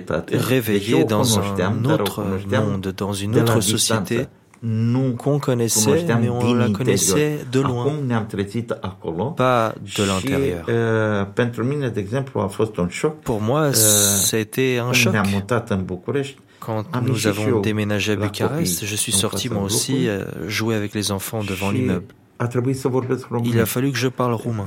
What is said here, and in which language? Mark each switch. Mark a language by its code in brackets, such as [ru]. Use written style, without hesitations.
[fr] réveillé dans un autre monde, dans une autre société. Nous qu'on connaissait, mais on la connaissait de loin, [ro] acolo, [fr] pas de l'intérieur. [ro] Pentru mine, de exemple, a fost un choc. [fr] Pour moi, ça a été un choc. [ro] Ne-am mutat în București, [fr] quand nous avons déménagé à Bucarest, je suis sorti moi aussi jouer avec les enfants devant l'immeuble. [ro] A trebuit să vorbesc [fr] roumain. Il a fallu que je parle roumain.